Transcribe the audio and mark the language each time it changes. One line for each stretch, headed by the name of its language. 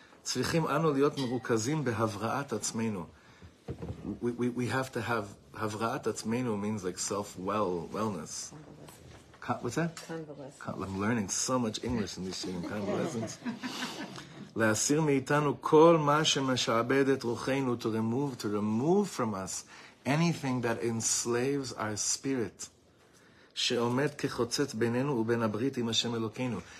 Hebrew: צריכים אנו להיות מרוכזים בהבראת עצמנו.
English: We have to have
Hebrew: הבראת עצמנו
English: means like self-wellness. What's that? Convalescence. I'm learning so much English in this shiurim. Convalescence.
Hebrew: להסיר מאיתנו כל מה שמשעבד את רוחנו,
English: to remove from us anything that enslaves our spirit,
Hebrew: שעומד כחוצץ בינינו ובין הברית עם השם אלוקינו.